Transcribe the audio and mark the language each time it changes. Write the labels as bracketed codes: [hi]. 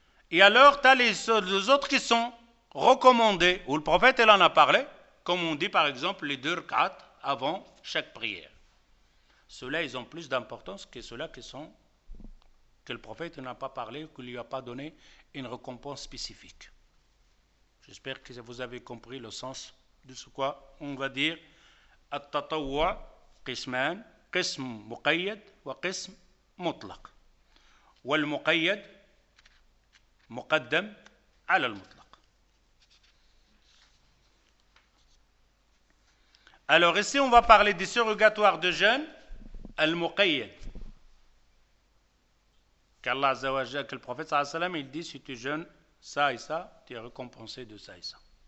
[fr] Et alors, tu as les autres qui sont recommandés, ou le prophète en a parlé, comme on dit par exemple les 2-4 avant chaque prière. Ceux-là, ils ont plus d'importance que ceux-là qui sont, que le prophète n'a pas parlé ou qu'il ne lui a pas donné une récompense spécifique. J'espère que vous avez compris le sens de ce quoi on va dire at-tatawwa. [ar] قسمان قسم مقيد وقسم مطلق والمقيد مقدم على المطلق. [fr] Alors ici on va parler des surrogatoires de jeûne al-muqayyad. Qu'Allah Azza wa Jalla, que le prophète sallallahu alayhi wa sallam, il dit si tu jeûnes ça et ça, tu es récompensé de ça et ça.